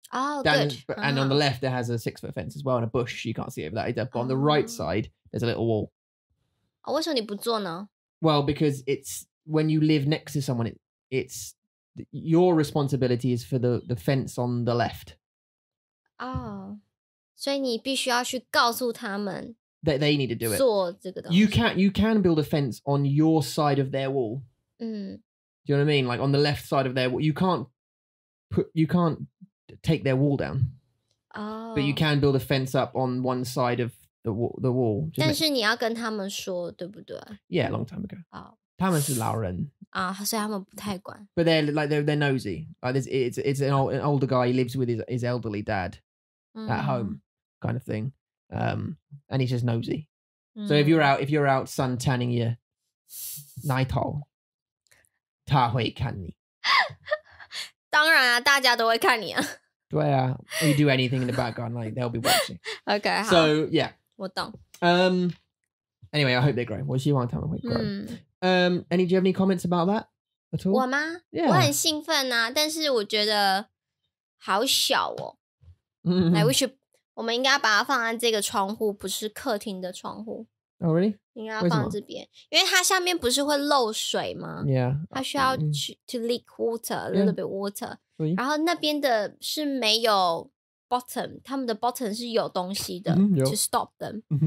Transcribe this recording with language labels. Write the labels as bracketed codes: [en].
[en] Oh, Dan, good. But, and on the left, there has a 6-foot fence as well, and a bush you can't see over that either. But、on the right side, there's a little wall. [zh] Oh, 为什么你不做呢? [en] Well, because it's when you live next to someone, it's your responsibility is for the fence on the left. [zh] Oh, 所以你必须要去告诉他们 [en] that they need to do it. [zh] 做这个东西 [en] You can build a fence on your side of their wall.、 Mm. Do you know what I mean? Like on the left side of their wall. You can't. Take their wall down、 oh. but you can build a fence up on one side of the wall [zh] 但是你要跟他们说对不对 [en] yeah a long time ago、 oh. [zh] 他们是老人、所以他们不太管 [en] but they're like they're nosy like it's an older guy he lives with his elderly dad、 mm. at home kind of thing And he's just nosy. So if you're out sun tanning your night owl, [zh] 他会看你。当然啊，大家都会看你啊。对啊, [en] you do anything in the background, like they'll be watching. Okay, so yeah. [zh] 我懂。 [en] Anyway, I hope they grow. [zh] 我希望他们会 [en] grow. Do you have any comments about that at all? [zh] 我吗? [en] Yeah. [zh] 我很兴奋啊，但是我觉得好小哦。 [en] Like we should. [zh] 我们应该把它放在这个窗户，不是客厅的窗户。 [en] Oh, really? [zh] 应该要放这边，因为它下面不是会漏水吗？ [en] Yeah. [zh] 它需要 [en] to leak water, a little bit water. [zh] 然后那边的是没有 [en] bottom, [zh] 他们的 [en] bottom [zh] 是有东西的 [en] to stop them.